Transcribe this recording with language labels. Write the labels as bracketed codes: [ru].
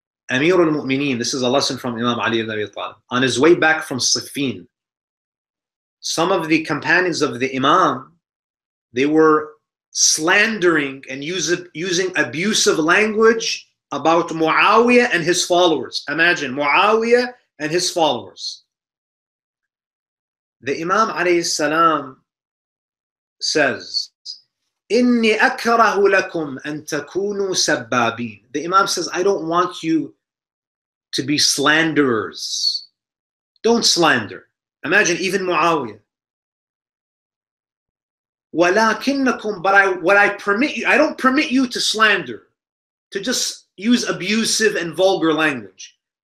[en] Amir al-Mu'mineen, this is a lesson from Imam Ali ibn Abi Talib. On his way back from Siffin, some of the companions of the Imam, they were slandering and using abusive language about Muawiyah and his followers. Imagine, Muawiyah and his followers. The Imam alayhi salam says, [ar] إِنِّي أَكْرَهُ لَكُمْ أَن تَكُونُوا سَبَّابِينَ. [en] The Imam says, I don't want you to be slanderers. Don't slander. Imagine, even Muawiyah. [ar] وَلَكِنَّكُمْ [en] I don't permit you to slander, to just use abusive and vulgar language.